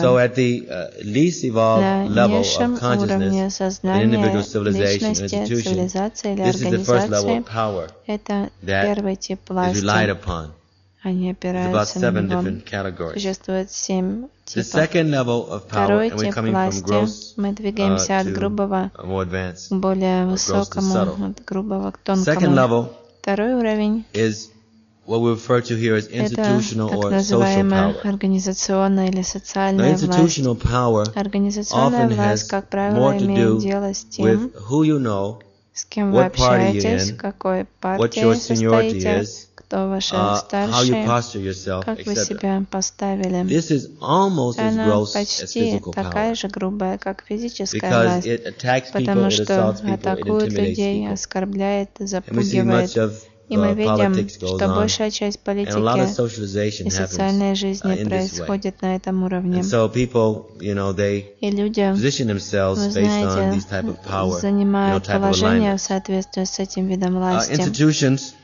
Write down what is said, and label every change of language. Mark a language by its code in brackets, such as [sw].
[ru] На низшем уровне сознания личности, цивилизации или организации это первый тип власти. Они опираются на него. Существует 7 типов. Второй тип власти, мы двигаемся от грубого к более высокому, от грубого к тонкому. Второй уровень [en] what we refer to here as institutional or social power. Now, institutional power often has more to do with who you know, what party you're in, what your seniority is, how you posture yourself, etc. This is almost as gross as physical power because it attacks people, it assaults people, it intimidates people. And we see much of [ru] И мы видим, что большая часть политики и социальной жизни происходит на этом уровне. И люди, вы знаете, занимают положение в соответствии с этим видом власти.